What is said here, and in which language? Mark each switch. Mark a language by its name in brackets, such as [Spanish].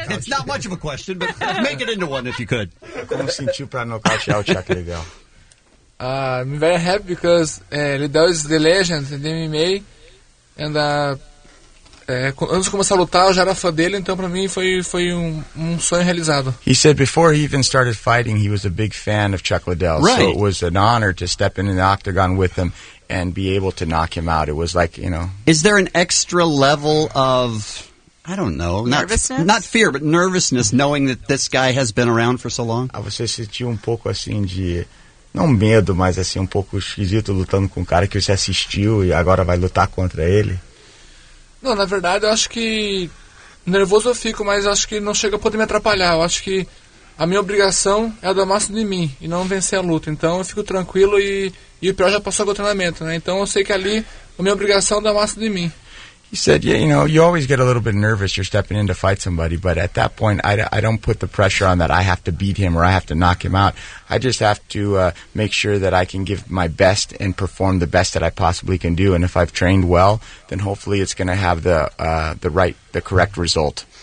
[English] It's not much of a question, but make it into one if you could. [Portuguese] Como sentiu para nocautear o Chuck Liddell? [English] I'm very happy because Liddell is the legend in the MMA, and [Portuguese] antes de começar a lutar, eu já era fã dele, então pra mim foi um sonho realizado. [English] He said before he even started fighting, he was a big fan of Chuck Liddell. Right. So it was an honor to step in the octagon with him and be able to knock him out. It was like, you know. Is there an extra level of, I don't know. Nervousness? Not fear, but nervousness, knowing that this guy has been around for so long? [Portuguese] Ah, você sentiu pouco assim de, não medo, mas assim pouco esquisito lutando com cara que você assistiu e agora vai lutar contra ele? Não, na verdade, eu acho que nervoso eu fico, mas acho que não chega a poder me atrapalhar. Eu acho que a minha obrigação é dar o máximo de mim e não vencer a luta. Então eu fico tranquilo e o pior já passou com o treinamento, né? Então eu sei que ali a minha obrigação é dar o máximo de mim. [English] He said, yeah, you know, you always get a little bit nervous, you're stepping in to fight somebody, but at that point, I don't put the pressure on that I have to beat him or I have to knock him out. I just have to make sure that I can give my best and perform the best that I possibly can do. And if I've trained well, then hopefully it's going to have the correct result.